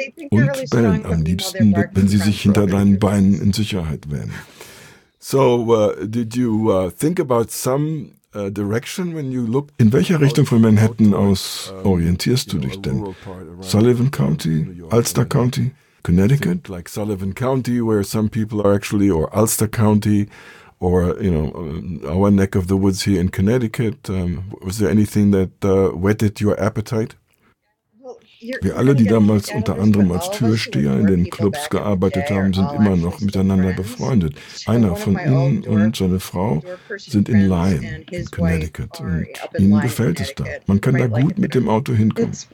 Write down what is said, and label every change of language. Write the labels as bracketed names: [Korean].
[German] Und bellen am liebsten, wenn sie sich hinter deinen Beinen in Sicherheit wähnen. [English] So, did you think about some direction when you looked? [German] In welcher Richtung von Manhattan aus orientierst du dich denn? Sullivan County, Ulster County, Connecticut? [English] Like Sullivan County, where some people are actually, or Ulster County. Or, you know, our neck of the woods here in Connecticut. Was there anything that whetted your appetite? [German] Wir alle, die damals unter anderem als Türsteher in den Clubs gearbeitet haben, sind immer noch miteinander befreundet. Einer von ihnen und seine Frau sind in Lyme, in Connecticut. Und ihnen gefällt es da. Man kann da gut mit dem Auto hinkommen.